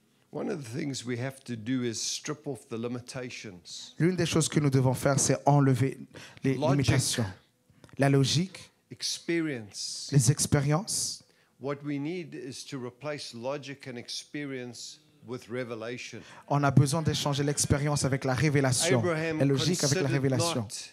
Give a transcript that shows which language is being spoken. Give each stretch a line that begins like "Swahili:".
English: One of the things we have to do is strip off the limitations.
French: L'une des choses que nous devons faire, c'est enlever les limitations. La logique.
English: Experience.
French: Les expériences.
English: What we need is to replace logic and experience with revelation.
French: On a besoin d'échanger l'expérience avec la révélation, la logique avec la révélation.